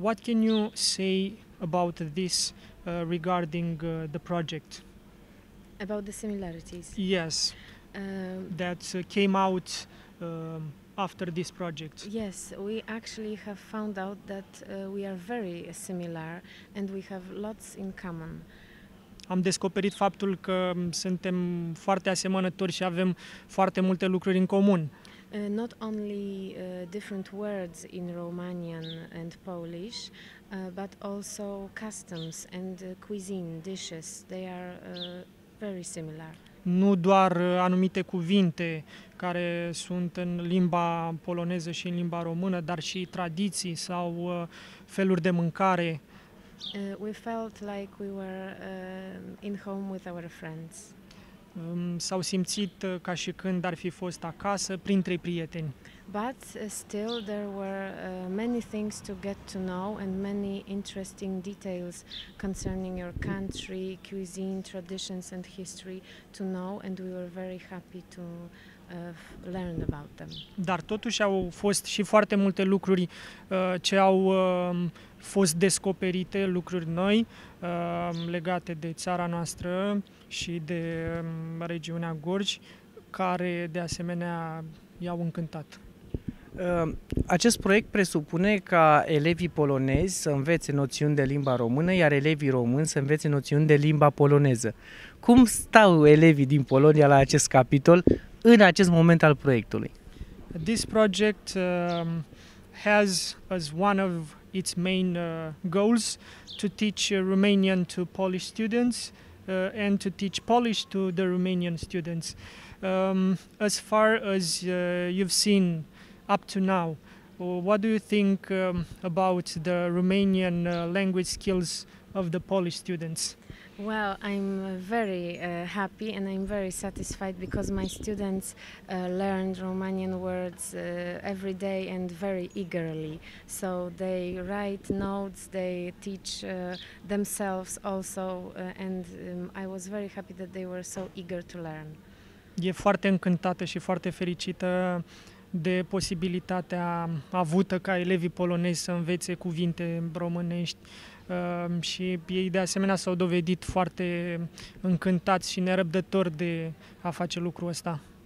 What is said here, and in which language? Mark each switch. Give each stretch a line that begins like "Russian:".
English: What can you say about this regarding the project? About the similarities? Yes, that came out after this project. Yes, we actually have found out that we are very similar and we have lots in common.
Romanian: Am descoperit faptul că suntem foarte asemănători și avem foarte multe lucruri în comun.
English: Not only different words in Romanian and Polish, but also customs and cuisine, dishes, they are very similar.
Romanian: Nu doar anumite cuvinte care sunt în limba poloneză și în limba română, dar și tradiții sau feluri de mâncare.
English: We felt like we were in home with our friends.
Romanian: S-au simțit ca și când ar fi fost acasă printre prieteni.
English: But still there were many things to get to know and many interesting details concerning your country, cuisine, traditions and history to know and we were very happy to learn about them.
Romanian: Dar totuși au fost și foarte multe lucruri ce au fost descoperite, lucruri noi legate de țara noastră și de regiunea Gorj, care de asemenea i-au încântat. Acest proiect presupune ca elevii polonezi să învețe noțiuni de limba română, iar elevii români să învețe noțiuni de limba poloneză. Cum stau elevii din Polonia la acest capitol în acest moment al proiectului?
English: This project has as one of its main goals to teach Romanian to Polish students and to teach Polish to the Romanian students. As far as you've seen up to now, what do you think about the Romanian language skills of the Polish students? Well, I'm very happy and I'm very satisfied because my students learned Romanian words every day and very eagerly. So they write notes, they teach themselves also, and I was very happy that they were so eager to learn.
Romanian: e foarte încântată și foarte fericită de posibilitatea avută ca elevii polonezi să învețe cuvinte românești și ei de asemenea s-au dovedit foarte încântați și nerăbdători de a face lucrul ăsta.